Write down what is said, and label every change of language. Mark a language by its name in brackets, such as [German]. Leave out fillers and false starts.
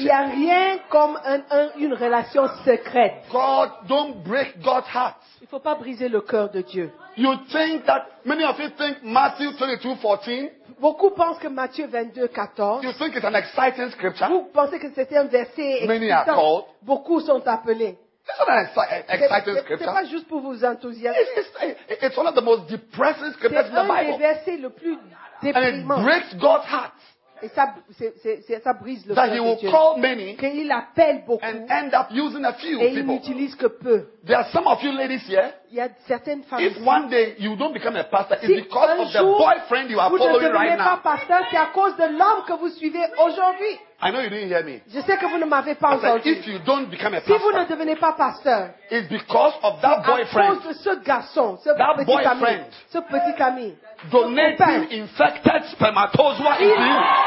[French] Il n'y a rien comme une relation secrète. [English] God, don't break God's heart. [French] Il ne faut pas briser le cœur de Dieu. [English] You think that many of you think Matthew 22:14. [French] Beaucoup pensent que Matthieu 22:14. [English] You think it's an exciting scripture. [French] Vous pensez que c'était un verset excitant. [English] Many are called. [French] Beaucoup sont appelés. [English] Isn't that an exciting scripture? [French] C'est pas juste pour vous enthousiaser. [English] It's one of the most depressing scriptures [French] c'est un [English] in the Bible. [French] Des versets le plus déprimant. [English] And it breaks God's heart. [French] Et ça, ça brise le [English] that he will call many [French] qu'il appelle beaucoup [English] and end up using a few [French] et [English] people. [French] N'utilise que peu. [English] There are some of you ladies here. [French] Il y a certaines femmes [English] if one day you don't become a pastor, it's because of the boyfriend you are following right now. [French] Vous ne devenez pas pasteur, c'est à cause de l'homme que vous suivez aujourd'hui. [English] I know you didn't hear me. [French] Je sais que vous ne m'avez pas entendu. [English] Like, if you don't become a pastor, [French] si vous ne devenez pas pasteur, [English] it's because of that [French] c'est [English] boyfriend. [French] À cause de ce garçon, ce [English] that [French] petit [English] boyfriend. [French] Ami, ce petit ami. [English] Donating infected spermatozoa into you.